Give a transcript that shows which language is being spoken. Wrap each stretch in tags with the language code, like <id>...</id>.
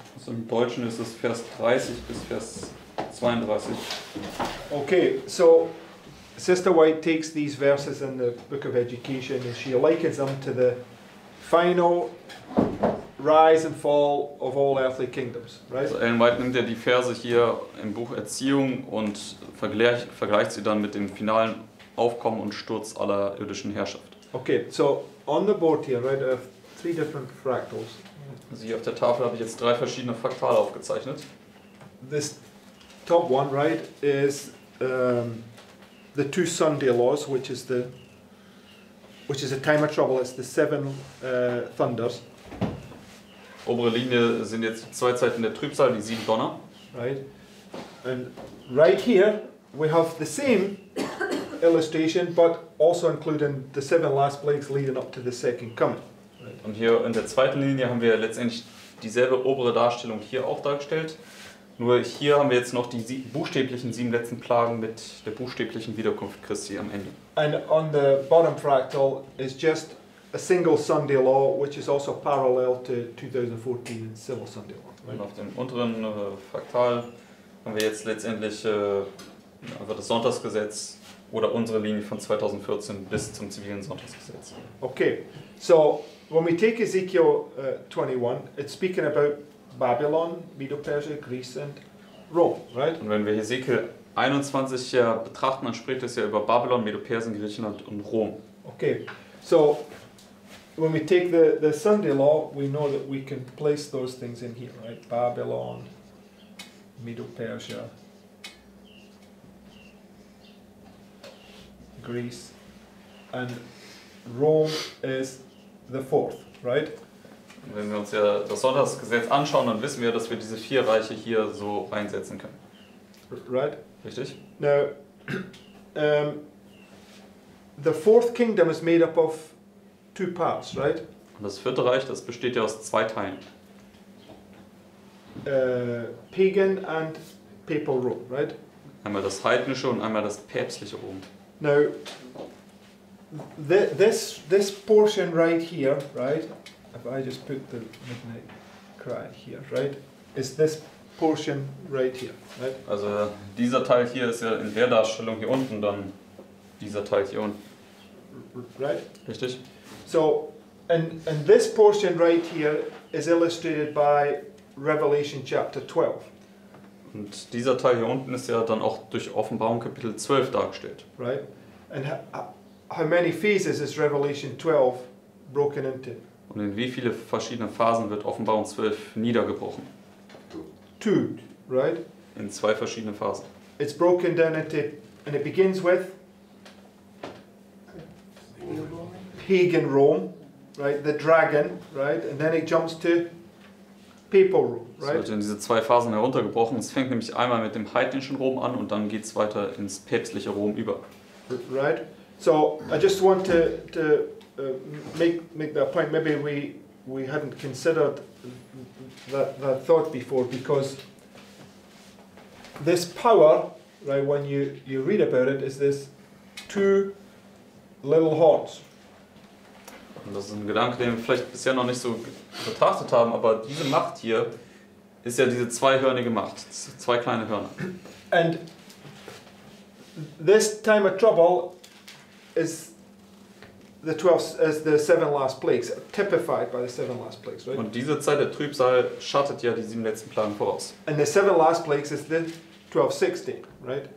<de>Also im Deutschen ist es Vers 30 bis Vers 32.</de> <en>Okay, so Sister White takes these verses in the Book of Education, and she likens them to the final rise and fall of all earthly kingdoms, right?</en> <de>Also Ellen White nimmt ja die Verse hier im Buch Erziehung und vergleicht sie dann mit dem finalen Aufkommen und Sturz aller irdischen Herrschaft.</de> <en>Okay, so on the board here, right, I have three different fractals.</en> <de>Also hier auf der Tafel habe ich jetzt drei verschiedene Fraktale aufgezeichnet.</de> <en>This top one, right, is the two Sunday laws, which is the time of trouble. It's the seven thunders.</en> <de>Obere Linie sind jetzt zwei Zeiten der Trübsal, die sieben Donner.</de> <en>Right. And right here we have the same illustration, but also including the seven last plagues leading up to the second coming. Right.</en> <de>Und hier in der zweiten Linie haben wir letztendlich dieselbe obere Darstellung hier auch dargestellt. Nur hier haben wir jetzt noch die buchstäblichen sieben letzten Plagen mit der buchstäblichen Wiederkunft Christi am Ende.</de> <en>And on the bottom fractal is just a single Sunday law, which is also parallel to 2014 civil Sunday law. Right?</en> <de>Und auf dem unteren Fraktal haben wir jetzt letztendlich einfach das Sonntagsgesetz oder unsere Linie von 2014 bis zum zivilen Sonntagsgesetz.</de> <en>Okay, so when we take Ezekiel 21, it's speaking about Babylon, Medo-Persia, Greece and Rome, right?</en> <de>Und wenn wir Ezekiel 21 betrachten, dann spricht es ja über Babylon, Medo-Persien, Griechenland und Rom.</de> <en>Okay, so when we take the Sunday law, we know that we can place those things in here, right? Babylon, Medo-Persia, Greece, and Rome is the fourth, right?</en> <de>Wenn wir uns ja das Sonntagsgesetz anschauen, dann wissen wir, dass wir diese vier Reiche hier so einsetzen können.</de> <en>Right?</en> <de>Richtig?</de> <en>Now, the fourth kingdom is made up of two parts, right?</en> <de>Und das vierte Reich, das besteht ja aus zwei Teilen.</de> <en>Pagan and papal Rome, right?</en> <de>Einmal das heidnische und einmal das päpstliche Rom.</de> <en>Now, this portion right here, right? If I just put the midnight cry here, right? Is this portion right here, right?</en> <de>Also dieser Teil hier ist ja in der Darstellung hier unten, dann dieser Teil hier unten.</de> <en>Right?</en> <de>Richtig.</de> <en>So, And this portion right here is illustrated by Revelation chapter 12.</en> <de>Und dieser Teil hier unten ist ja dann auch durch Offenbarung Kapitel 12 dargestellt.</de> <en>Right. And how many phases is Revelation 12 broken into?</en> <de>Und in wie viele verschiedene Phasen wird Offenbarung 12 niedergebrochen?</de> <en>Two, right?</en> <de>In zwei verschiedene Phasen.</de> <en>It's broken down into, and it begins with pagan Rome. Right, the dragon, right, and then it jumps to papal Rome, right?</en> <de>Es wird in diese zwei Phasen heruntergebrochen. Es fängt nämlich einmal mit dem heidnischen Rom an und dann geht es weiter ins päpstliche Rom über.</de> <en>Right. So I just want to make that point. Maybe we hadn't considered that thought before, because this power, right, when you read about it, is this two little horns.</en> <de>Und das ist ein Gedanke, den wir vielleicht bisher noch nicht so betrachtet haben, aber diese Macht hier ist ja diese zweihörnige Macht, zwei kleine Hörner.</de> <en>And this time of trouble is the 12th, is the seven last plagues, typified by the seven last plagues, right?</en> <de>Und diese Zeit der Trübsal schattet ja die sieben letzten Plagen voraus.</de> <en>And the seven last plagues is the 1260, right?</en>